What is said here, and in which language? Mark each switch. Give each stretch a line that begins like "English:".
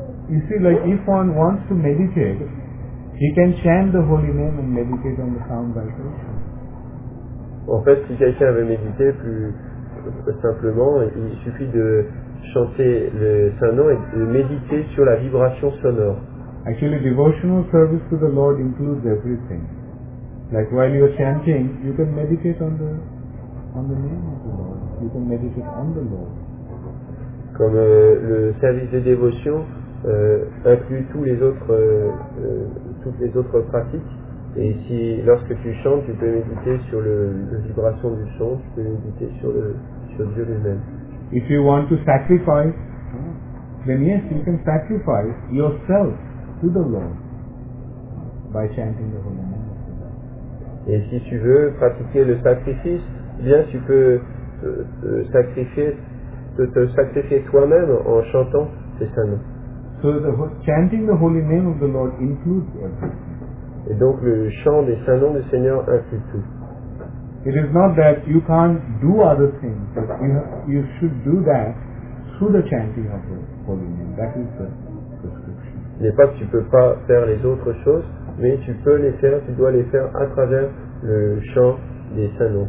English: You see, like if one wants to meditate, he can chant the holy name and meditate on the sound vibration.
French: En fait, si quelqu'un veut méditer plus simplement, il suffit de chanter le Saint-Nom et de méditer sur la vibration sonore.
English: Actually, devotional service to the Lord includes everything. Like while you're chanting, you can meditate on the name of the Lord. You can meditate on the Lord.
French: Comme le service de dévotion inclut toutes les autres pratiques. Et si, lorsque tu chantes, tu peux méditer sur la vibration du chant, tu peux méditer sur Dieu lui-même.
English: If you want to sacrifice, then yes, you can sacrifice yourself to the Lord by chanting the holy name.
French: Et si tu veux pratiquer le sacrifice, bien tu peux te sacrifier toi-même en chantant ces saints noms.
English: So chanting the holy name of the Lord includes everything.
French: Et donc le chant des saints noms du Seigneur inclut tout.
English: It is not that you can't do other things, but you should do that through the chanting of the holy name. That is the prescription.
French: N'est pas que tu peux pas faire les autres choses, mais tu peux les faire, tu dois les faire à travers le chant des saints noms.